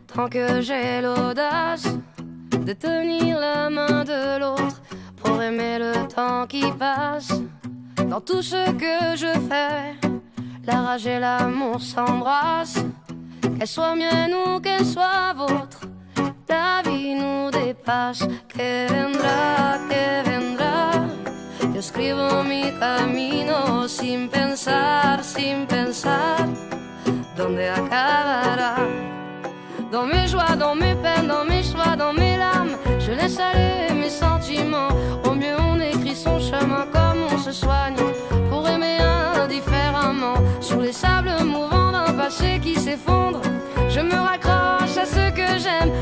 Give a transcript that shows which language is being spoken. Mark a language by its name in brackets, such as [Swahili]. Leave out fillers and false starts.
[French] Que j'ai l'audace de tenir la main de l'autre pour aimer le temps qui passe. Dans tout ce que je fais, la rage et l'amour s'embrassent. Qu'elle soit mienne ou qu'elle soit vôtre, la vie nous dépasse. [Spanish] Que vendrá, que vendrá. Yo escribo mi camino sin pensar, sin pensar dónde acabará. [French] Dans mes joies, dans mes peines, dans mes choix, dans mes larmes, je laisse aller mes sentiments. Au mieux on écrit son chemin comme on se soigne pour aimer indifféremment. Sur les sables mouvants d'un passé qui s'effondre, je me raccroche à ce que j'aime.